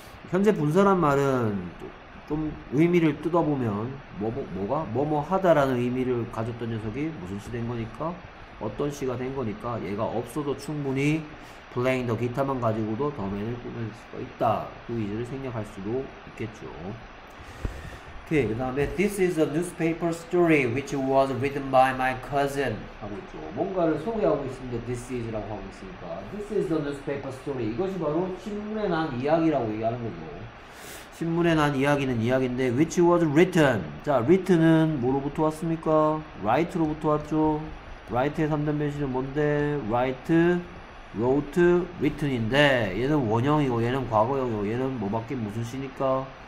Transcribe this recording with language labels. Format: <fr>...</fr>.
<ko>현재 분사란 말은 좀 의미를 뜯어보면 뭐가 뭐뭐 하다라는 의미를 가졌던 녀석이 무슨 시된 거니까 어떤 시가 된 거니까 얘가 없어도 충분히</ko> <en>playing the guitar</en> <ko>만 가지고도 더맨을 꾸며줄 수가 있다 그 위치를 생략할 수도 있겠죠. 그 다음에</ko> <en>This is a newspaper story which was written by my cousin</en> <ko>하고 있죠. 뭔가를 소개하고 있습니다. This is라고 하고 있으니까</ko> <en>This is a newspaper story.</en> <ko>이것이 바로 신문에 난 이야기라고 얘기하는 거고, 신문에 난 이야기는 이야기인데 which was written. 자, written은 뭐로부터 왔습니까? write로부터 왔죠. write의 3단 변신은 뭔데? write, wrote, written인데 얘는 원형이고 얘는 과거형이고 얘는 뭐 바뀐 무슨 시니까?</ko>